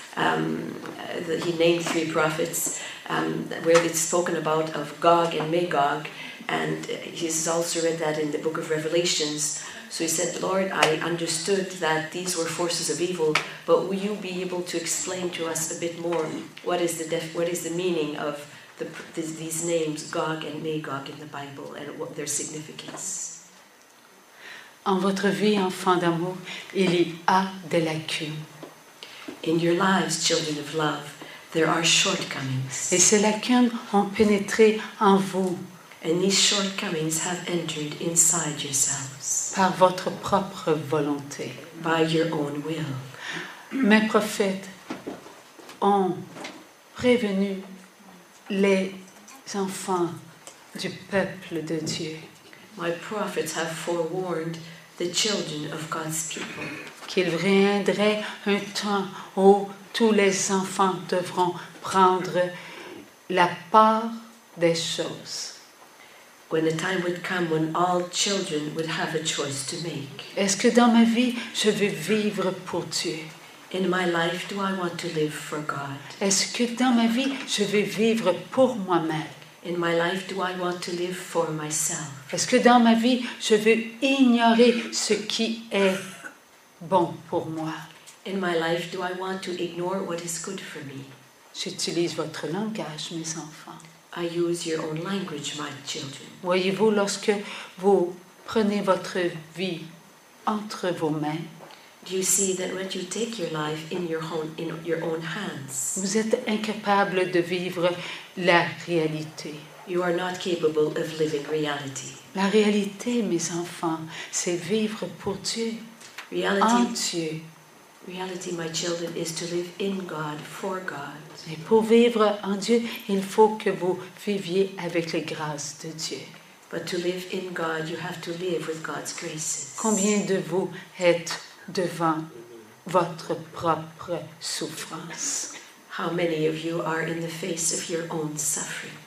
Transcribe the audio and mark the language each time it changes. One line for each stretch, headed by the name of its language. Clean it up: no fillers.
English: he named three prophets where it's spoken about of Gog and Magog, and he's also read that in the book of Revelations. So he said, Lord, I understood that these were forces of evil, but will you be able to explain to us a bit more what is the meaning of these names Gog and Magog in the Bible and what their significance?
French: En votre vie, enfant d'amour, il y a des lacunes.
English: In your lives, children of love, there are shortcomings.
French: Et ces lacunes ont pénétré en vous.
English: And these shortcomings have entered inside yourselves.
French: Par votre propre volonté.
English: By your own will.
French: Mes prophètes ont prévenu les enfants du peuple de Dieu.
English: My prophets have forewarned the children of God's people.
French: Qu'il viendrait un temps où tous les enfants devront prendre la part des choses.
English: When the time would come when all children would have a choice to make.
French: Est-ce que dans ma vie je veux vivre pour Dieu?
English: In my life, do I want to live for God?
French: Est-ce que dans ma vie je veux vivre pour moi-même?
English: In my life, do I want to live for myself?
French: Est-ce que dans ma vie je veux ignorer ce qui est bon pour moi?
English: In my life, do I want to ignore what is good for me?
French: J'utilise votre langage, mes enfants.
English: I use your own language, my children.
French: Voyez-vous, lorsque vous prenez votre vie entre vos mains,
English: Do you see that when you take your life in your own hands,
French: vous êtes incapable de vivre la réalité.
English: You are not capable of living reality.
French: La réalité, mes enfants, c'est vivre pour Dieu,
English: reality,
French: en Dieu.
English: Reality, my children, is to live in God, for God.
French: Et pour vivre en Dieu, il faut que vous viviez avec les grâces de Dieu.
English: But to live in God, you have to live with God's graces.
French: Combien de vous êtes devant votre propre souffrance?
English: How many of you are in the face of your own suffering?